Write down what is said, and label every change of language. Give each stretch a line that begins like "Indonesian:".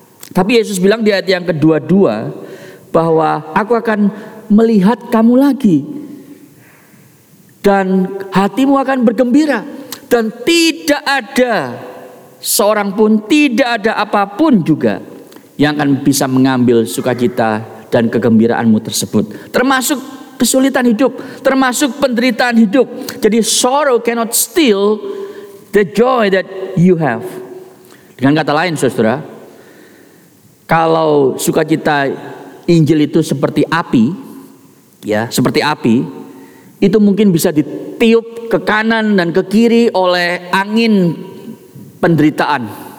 Indonesian: Tapi Yesus bilang di ayat yang ke-22 bahwa aku akan melihat kamu lagi dan hatimu akan bergembira, dan tidak ada seorang pun, tidak ada apapun juga yang akan bisa mengambil sukacita dan kegembiraanmu tersebut, termasuk kesulitan hidup, termasuk penderitaan hidup.
English: Jadi sorrow cannot steal the joy that you have.
Indonesian: Dengan kata lain, saudara, kalau sukacita Injil itu seperti api, ya, seperti api, itu mungkin bisa ditiup ke kanan dan ke kiri oleh angin penderitaan.